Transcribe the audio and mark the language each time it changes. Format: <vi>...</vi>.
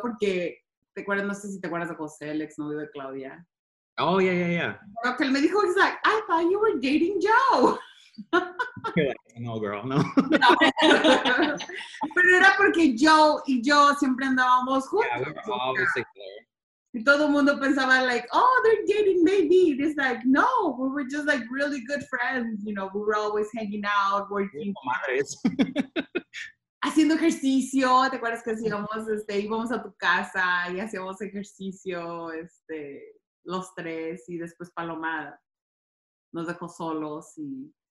<es>Porque, ¿te acuerdas? No sé si te acuerdas de José, el exnovio de Claudia.</es> <en>Oh, yeah, yeah, yeah. Okay,</en> <es>él me dijo,</es> <en>he's like, I thought you were dating Joe. You're like, no, girl, no.</en> <es>Pero era porque Joe y yo siempre andábamos juntos.</es> <en>Yeah, we were obviously clear.</en> <es>Y todo el mundo pensaba like,</es> <en>oh, they're dating maybe. And it's like, no, we were just like really good friends. You know, we were always hanging out, working.</en> <es>Haciendo ejercicio. ¿Te acuerdas que sigamos, este, íbamos a tu casa y hacíamos ejercicio, este... los tres, y después Paloma nos dejó solos, y...</es>